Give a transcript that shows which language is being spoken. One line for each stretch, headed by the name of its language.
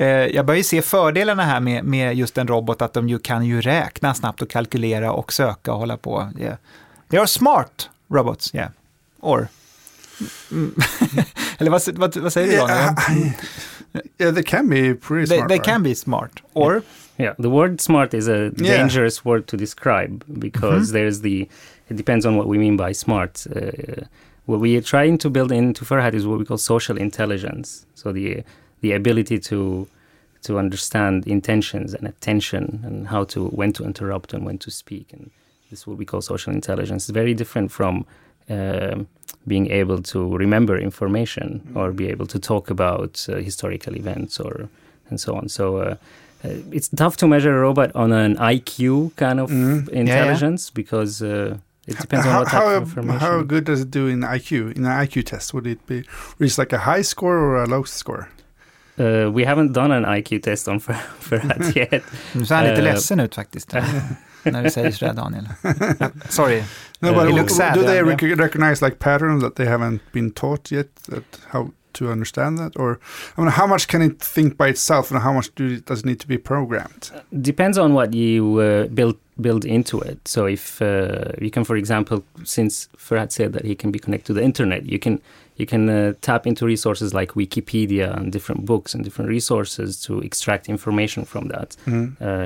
Swedish: Jag börjar ju se fördelarna här med just en robot, att de ju kan ju räkna snabbt och kalkylera och söka och hålla på. Yeah.
English: They are smart robots, yeah. Or...
Swedish: Eller vad säger du, Daniel?
English: Yeah, they can be pretty smart. They can be smart, or... Yeah, the word smart is a dangerous word to describe, because it depends on what we mean by smart. What we are trying to build into Ferhat is what we call social intelligence. So the ability to understand intentions and attention, and when to interrupt and when to speak, and... This is what we call social intelligence. It's very different from being able to remember information or be able to talk about historical events and so on. So It's tough to measure a robot on an IQ kind of intelligence because it depends on what type of information. How good does it do in IQ? In an IQ test, would it be reach like a high score or a low score? We haven't done an IQ test on Ferhat yet.
Swedish: Du ser lite ledsen ut faktiskt när du säger sådär, Daniel.
English: Sorry. No, but sad, do they recognize like patterns that they haven't been taught yet? That how to understand that, or I mean, how much can it think by itself, and how much does it need to be programmed? Depends on what you build into it. So if you can, for example, since Ferhat said that he can be connected to the internet, you can tap into resources like Wikipedia and different books and different resources to extract information from that. Mm-hmm.